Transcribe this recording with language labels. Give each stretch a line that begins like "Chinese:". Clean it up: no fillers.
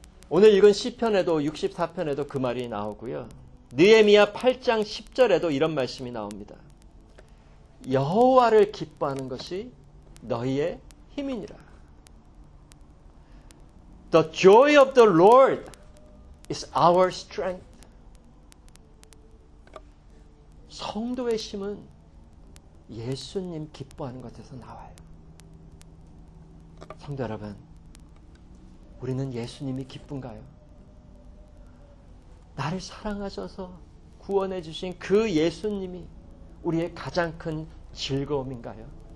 Korean: 오늘 읽은 시편에도 64편에도 그 말이 나오고요. 느헤미야 8장 10절에도 이런 말씀이 나옵니다. 여호와를 기뻐하는 것이 너희의 힘이니라.
English: The joy of the Lord is our strength.
Korean: 성도의 힘은 예수님 기뻐하는 것에서 나와요. 성도 여러분, 우리는 예수님이 기쁜가요? 나를 사랑하셔서 구원해 주신 그 예수님이 우리의 가장 큰 즐거움인가요?